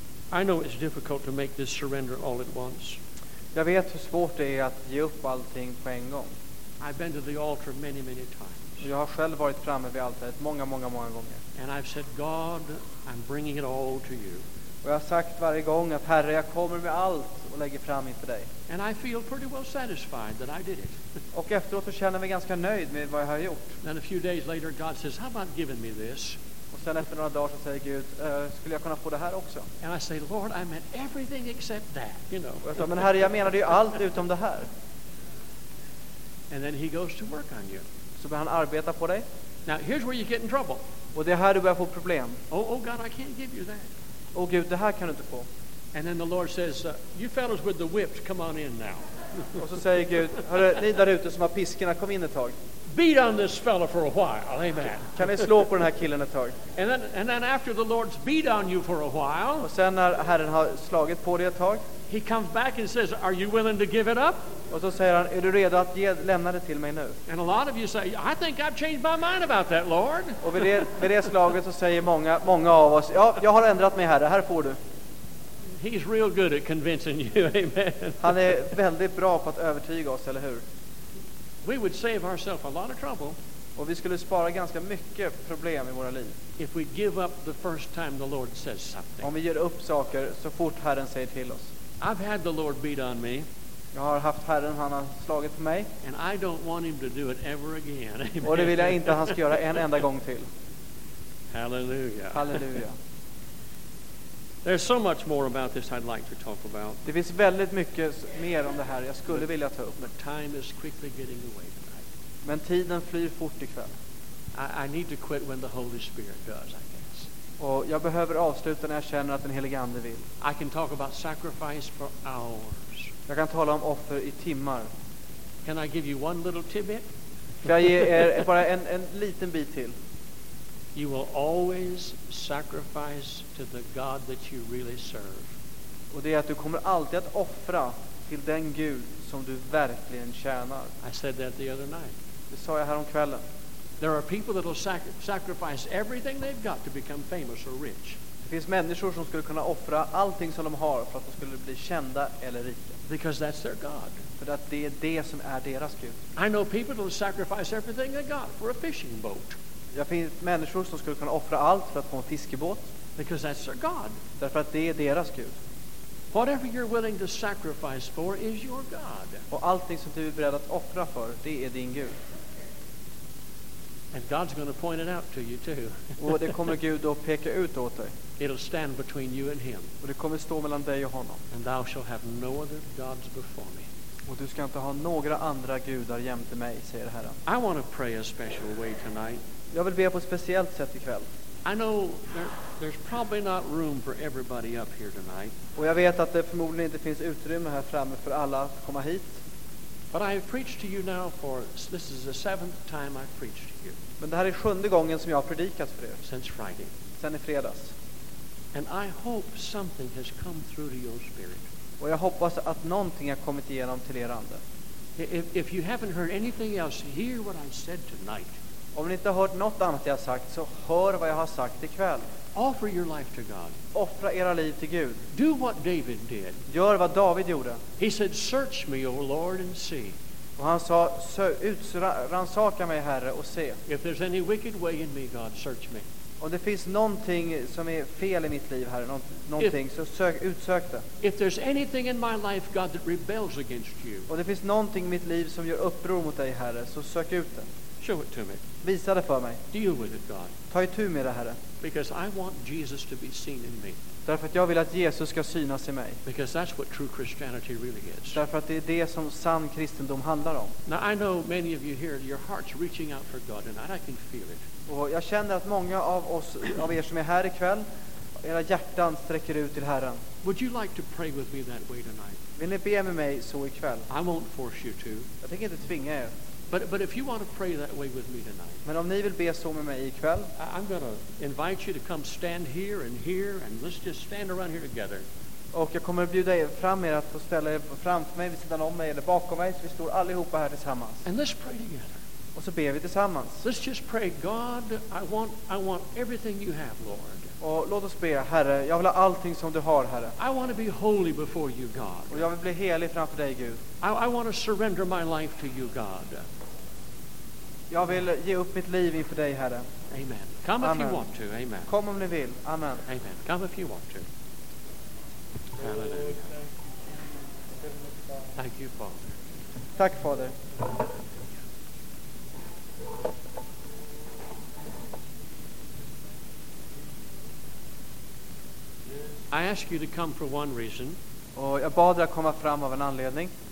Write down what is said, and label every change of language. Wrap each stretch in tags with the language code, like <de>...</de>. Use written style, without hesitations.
<en>I know it's difficult to make this surrender all at once.</en> <sv>Jag vet hur svårt det är att ge upp allting på en gång.</sv> <en>I've been to the altar many, many times.</en> <sv>Jag har själv varit framme vid altaret många, många, många gånger.</sv> <en>And I've said, God, I'm bringing it all to you.</en> <sv>Och jag har sagt varje gång att Herre, jag kommer med allt och lägger fram inför dig.</sv> <en>And I feel pretty well satisfied that I did it.</en> <sv>Och efteråt känner jag mig ganska nöjd med vad jag har gjort.</sv> <en>Then a few days later, God says, how about giving me this?</en> <sv>Och sen efter några dagar så säger Gud, skulle jag kunna få det här också?</sv> <en>And I say, Lord, I meant everything except that, you know.</en> <sv>Och jag sa, men Herre, jag menade ju allt utom det här.</sv> <en>And then he goes to work on you.</en> <sv>Så börjar han arbeta på dig.</sv> <en>Now here's where you get in trouble.</en> <sv>Och det är här du börjar få problem.</sv> <en>Oh God, I can't give you that.</en> <sv>Oh Gud, det här kan du inte få.</sv> <en>And then the Lord says, you fellows with the whips, come on in now.</en> <sv>Och så säger Gud, hörru, ni där ute som har piskorna, kom in ett tag.</sv> <en>Beat on this fella for a while, amen.</en> <sv>Kan ni slå på den här killen ett tag?</sv> <en>And then after the Lord's beat on you for a while.</en> <sv>Och sen när Herren har slagit på dig ett tag.</sv> <en>He comes back and says, are you willing to give it up?</en> <sv>Och så säger han, är du redo att lämna det till mig nu?</sv> <en>And a lot of you say, I think I've changed my mind about that, Lord.</en> <sv>Och vid det slaget så säger många, många av oss, ja, jag har ändrat mig, Herre, här får du.</sv> <en>He's real good at convincing you, amen.</en> <sv>Han är väldigt bra på att övertyga oss, eller hur?</sv> <en>We would save ourselves a lot of trouble.</en> <sv>Och vi skulle spara ganska mycket problem i våra liv.</sv> <en>If we give up the first time the Lord says something.</en> <sv>Om vi ger upp saker så fort Herren säger till oss.</sv> <en>I've had the Lord beat on me.</en> <sv>Jag har haft Herren, han har slagit på mig.</sv> <en>And I don't want him to do it ever again.</en> <sv>Amen. Och det vill jag inte han ska göra en enda gång till. Halleluja. Halleluja.</sv> <en>There's so much more about this I'd like to talk about.</en> <sv>Det finns väldigt mycket mer om det här jag skulle vilja ta upp.</sv> <en>But time is quickly getting away tonight.</en> <sv>Men tiden flyr fort ikväll.</sv> <en>I need to quit when the Holy Spirit does, I guess.</en> <sv>Och jag behöver avsluta när jag känner att den helige ande vill.</sv> <en>I can talk about sacrifice for hours.</en> <sv>Jag kan tala om offer i timmar.</sv> <en>Can I give you one little tidbit?</en> <sv>Jag ger er bara en liten bit till.</sv> <en>You will always sacrifice to the God that you really serve.</en> <sv>Och det är att du kommer alltid att offra till den Gud som du verkligen tjänar.</sv> <en>I said that the other night.</en> <sv>Det sa jag här om kvällen.</sv> <en>There are people that will sacrifice everything they've got to become famous or rich.</en> <sv>Det finns människor som skulle kunna offra allting som de har för att de skulle bli kända eller rika.</sv> <en>Because that's their God.</en> <sv>För att det är det som är deras Gud.</sv> <en>I know people that will sacrifice everything they got for a fishing boat.</en> <sv>Jag finns människor som skulle kunna offra allt för att få en fiskebåt.</sv> <en>Because that's their God.</en> <sv>Därför att det är deras Gud.</sv> <en>Whatever you're willing to sacrifice for is your God.</en> <sv>Och allting som du är beredd att offra för, det är din Gud.</sv> <en>And God's going to point it out to you too.</en> <sv>Och det kommer Gud att peka ut åt dig.</sv> <en>It'll stand between you and him.</en> <sv>Och det kommer stå mellan dig och honom.</sv> <en>And thou shall have no other gods before me.</en> <sv>Och du ska inte ha några andra gudar jämte mig, säger Herren.</sv> <en>I want to pray a special way tonight.</en> <sv>Jag vill be på ett speciellt sätt ikväll.</sv> <en>I know there's probably not room for everybody up here tonight.</en> <sv>Och jag vet att det förmodligen inte finns utrymme här framme för alla att komma hit.</sv> <en>But I have preached to you now for this is the seventh time I've preached to you.</en> <sv>Men det här är sjunde gången som jag har predikat för er.</sv> <en>Since Friday.</en> <sv>Sen i fredags.</sv> <en>And I hope something has come through to your spirit.</en> <sv>Och jag hoppas att någonting har kommit igenom till er ande.</sv> <en>If you haven't heard anything else, hear what I said tonight.</en> <sv>Om ni inte har hört något annat jag har sagt, så hör vad jag har sagt ikväll.</sv> <en>Offer your life to God.</en> <sv>Offra era liv till Gud.</sv> <en>Do what David did.</en> <sv>Gör vad David gjorde.</sv> <en>He said, "Search me, O Lord, and see."</en> <sv>Och han sa, ransaka mig, Herre, och se.</sv> <en>If there's any wicked way in me, God, search me.</en> <sv>Om det finns någonting som är fel i mitt liv här, någonting, så utsök det.</sv> <en>If there's anything in my life, God, that rebels against you.</en> <sv>Om det finns någonting i mitt liv som gör uppror mot dig, Herre, så sök ut det.</sv> <en>Show it to me.</en> <sv>Visa det för mig.</sv> <en>Deal with it, God.</en> <sv>Ta itu med det, Herre.</sv> <en>Because I want Jesus to be seen in me.</en> <sv>Därför att jag vill att Jesus ska synas i mig.</sv> <en>Because that's what true Christianity really is.</en> <sv>Därför att det är det som sann kristendom handlar om.</sv> <en>Now I know many of you here, your heart's reaching out for God, and I can feel it.</en> <sv>Och jag känner att många av oss, av er som är här ikväll, era hjärtan sträcker ut till Herren.</sv> <en>Would you like to pray with me that way tonight?</en> <sv>Vill ni be med mig så ikväll?</sv> <en>I won't force you to.</en> <sv>Jag tänker inte tvinga er.</sv> <en>But if you want to pray that way with me tonight.</en> <sv>Men om ni vill be så med mig ikväll,</sv> <en>I'm going to invite you to come stand here and here, and let's just stand around here together.</en> <sv>Och jag kommer att bjuda er fram, er att få ställa er framför mig, vid sidan om mig eller bakom mig, så vi står allihopa här tillsammans.</sv> <en>And let's pray together.</en> <sv>Och så ber vi tillsammans.</sv> <en>Let's just pray, God, I want everything you have, Lord.</en> <sv>Och låt oss be, Herre, jag vill ha allting som du har, Herre.</sv> <en>I want to be holy before you, God.</en> <sv>Och jag vill bli helig framför dig, Gud.</sv> <en>I want to surrender my life to you, God.</en> <sv>Jag vill ge upp mitt liv inför dig, Herre.</sv> <en>Amen. Come if you want to. Amen.</en> <sv>Kom om ni vill. Amen.</sv> <en>Amen. Come if you want to. Hallelujah. Thank you, Father.</en> <sv>Tack, Fader.</sv> <en>I ask you to come for one reason.</en> <sv>Och jag bad dig komma fram av en anledning.</sv>